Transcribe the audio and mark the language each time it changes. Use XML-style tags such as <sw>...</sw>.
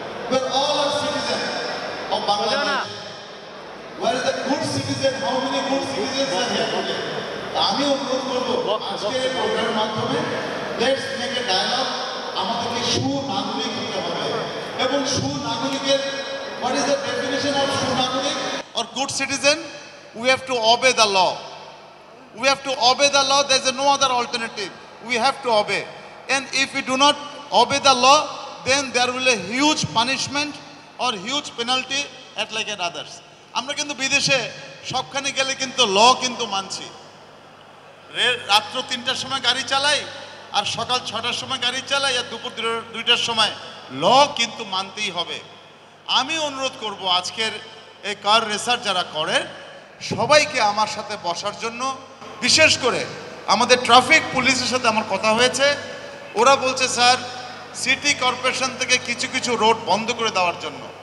<en>We are all our citizens of Bangladesh. Where is the good citizen? How many good citizens are here today?</en> <bn>আমি অনুরোধ করব আজকে এই প্রোগ্রামের মাধ্যমে</bn> <en>let's make a dialogue,</en> <bn>আমাদেরকে সুনাগরিক হতে হবে। এবং সুনাগরিকের</bn> <en>what is the definition of সুনাগরিক or good citizen? We have to obey the law. We have to obey the law. There is no other alternative. We have to obey. And if we do not obey the law, then there will be a huge punishment or huge penalty at like at others.</en> <bn>আমরা কিন্তু বিদেশে সবখানে গেলে কিন্তু ল কিন্তু মানছি। রাত্র তিনটার সময় গাড়ি চালাই আর সকাল ছটার সময় গাড়ি চালাই আর দুপুর দুইটার সময় ল কিন্তু মানতেই হবে। আমি অনুরোধ করব আজকের এই কার রেসার যারা করে সবাইকে আমার সাথে বসার জন্য, বিশেষ করে আমাদের ট্রাফিক পুলিশের সাথে আমার কথা হয়েছে, ওরা বলছে স্যার সিটি কর্পোরেশন থেকে কিছু কিছু রোড বন্ধ করে দেওয়ার জন্য।</bn>